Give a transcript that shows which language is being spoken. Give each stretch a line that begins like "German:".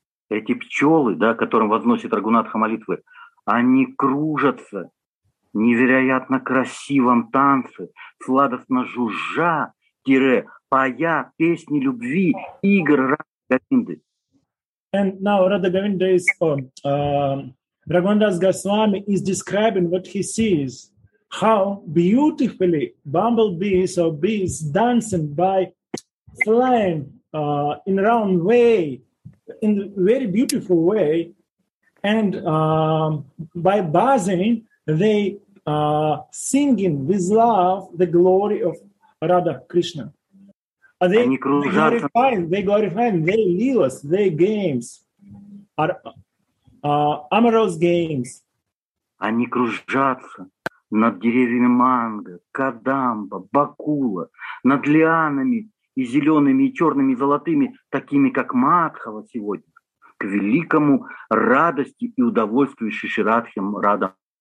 Russian: Эти пчелы, да, которым возносит Рагунатха молитвы, они кружатся в невероятно красивом танце, сладостно жужжа, тире, поя песни любви, игр Радхи Говинды.
English: And now Radha Govinda is on. Raghunandas Goswami is describing what he sees, how beautifully bumblebees or bees dancing by flying in round way. In a very beautiful way, and by buzzing, they singing with love the glory of Radha Krishna. Are they glorifying? They glorifying their leelas, their games are amorous games.
Russian: Они кружатся над деревьями манго, кадамба, бакула, над лианами. И зелеными, и черными, и золотыми, такими, как Мадхава сегодня, к великому радости и удовольствию Шиши Радхи Радха.